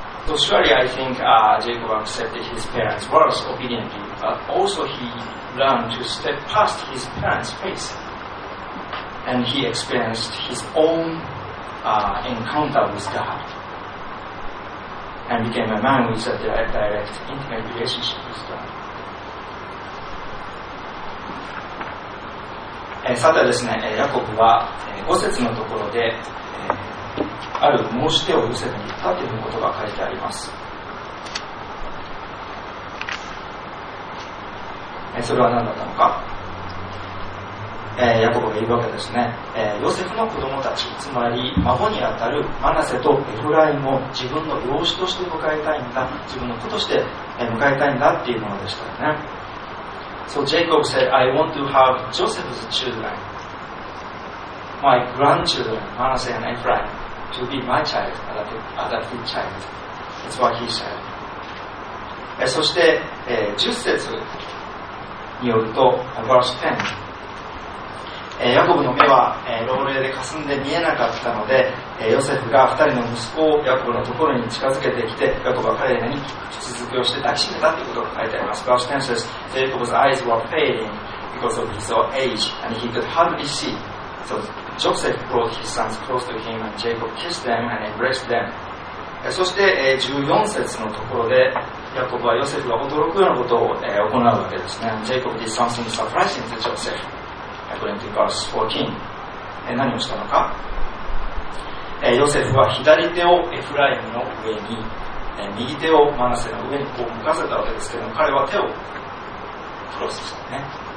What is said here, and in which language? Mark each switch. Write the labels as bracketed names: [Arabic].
[English] So surely I think Jacob accepted his parents' words obediently, but also he learned to step past his parents' faith. And he experienced his own encounter with God and became a man with a direct intimate relationship with God. [Japanese] さてですね、ヤコブは5節のところで、ある申し出をヨセフに言ったということが書いてあります。それは何だったのか、ヤコブが言うわけですね、ヨセフの子供たち、つまり孫にあたるマナセとエフライも自分の養子として迎えたいんだ、自分の子として迎えたいんだっていうものでしたよね。 [English] So Jacob said, I want to have Joseph's children, my grandchildren, Manasseh and Ephraim, to be my child, adopted child. That's what he said. [Japanese] そして、10節によると、 [English] verse 10、 [Japanese] ヤコブの目は、老齢で霞んで見えなかったので、ヨセフが2人の息子をヤコブのところに近づけてきて、ヤコブは彼らに口づけをして抱きしめたということが書いてあります。 [English] Verse 10 says, Jacob's eyes were failing because of his old age, and he could hardly see. So Joseph brought his sons close to him, and Jacob kissed them and embraced them. [Japanese] そして14節のところで、ヤコブはヨセフが驚くようなことを行うわけですね。 [English] Jacob did something surprising to Joseph, according to verse 14. [Japanese] 何をしたのか、ヨセフは左手をエフライムの上に、右手をマナセの上にこう向かせたわけですけども、彼は手をクロスしたね。